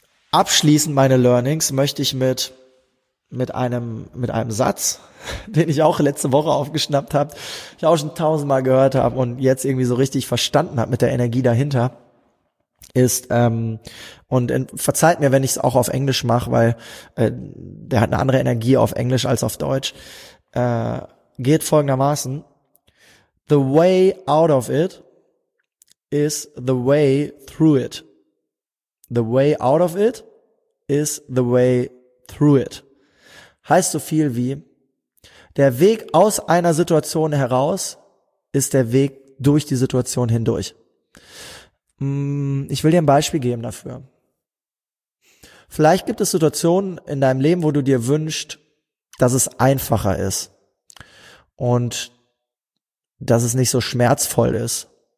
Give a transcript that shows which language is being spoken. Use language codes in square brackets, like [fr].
[de] Abschließend meine Learnings möchte ich mit mit einem Satz, den ich auch letzte Woche aufgeschnappt habe, ich auch schon tausendmal gehört habe und jetzt irgendwie so richtig verstanden habe mit der Energie dahinter, ist, verzeiht mir, wenn ich es auch auf Englisch mache, weil der hat eine andere Energie auf Englisch als auf Deutsch, geht folgendermaßen: [en] The way out of it is the way through it. The way out of it is the way through it. [de] Heißt so viel wie: Der Weg aus einer Situation heraus ist der Weg durch die Situation hindurch. Ich will dir ein Beispiel geben dafür. Vielleicht gibt es Situationen in deinem Leben, wo du dir wünschst, dass es einfacher ist und dass es nicht so schmerzvoll ist.